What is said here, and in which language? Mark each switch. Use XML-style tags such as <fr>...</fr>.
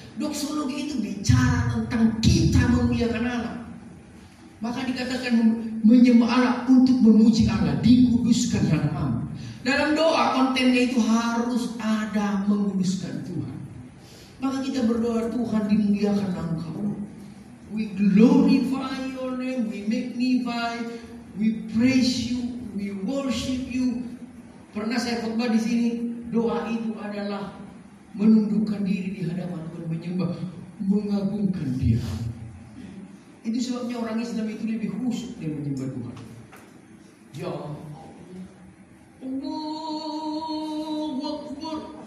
<id>Doksologi itu bicara tentang kita memuliakan Allah. Maka dikatakan menyembah Allah untuk memuji Allah, dikuduskan nama-Mu. Dalam doa kontennya itu harus ada menguduskan Tuhan. Maka kita berdoa, Tuhan dimuliakan Engkau.</id> <en>We glorify your name, we magnify, we praise you, we worship you.</en> <id>Pernah saya khotbah di sini, doa itu adalah menundukkan diri di hadapan Tuhan, menyembah, mengagungkan Dia. Itu sebabnya orang Islam itu lebih khusyuk dia menyembah Tuhan.</id> <ar>Ya Allah, Allahu Akbar.</ar>